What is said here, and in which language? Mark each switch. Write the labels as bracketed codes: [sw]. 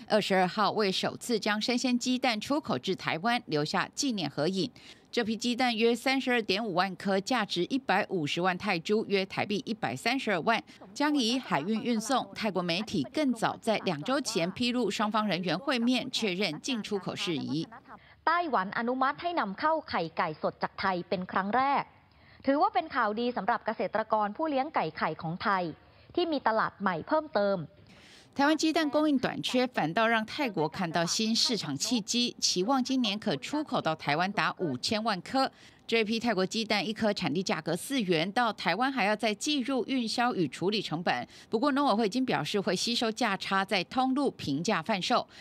[zh] 22号为首次将生鲜鸡蛋出口至台湾留下纪念合影。这批鸡蛋约32.5万颗，价值150万泰铢，约台币132万，将以海运运送。泰国媒体更早在2周前披露双方人员会面，确认进出口事宜。 [th] 台湾อนุมัติให้นำเข้าไข่ไก่สดจากไทยเป็นครั้งแรกถือว่าเป็นข่าวดีสำหรับเกษตรกรผู้เลี้ยงไก่ไข่ของไทยที่มีตลาดใหม่เพิ่มเติม [zh] 台湾鸡蛋供应短缺，反倒让泰国看到新市场契机，期望今年可出口到台湾达5000万颗。这批泰国鸡蛋一颗产地价格4元，到台湾还要再计入运销与处理成本。不过农委会已经表示会吸收价差，在通路平价贩售。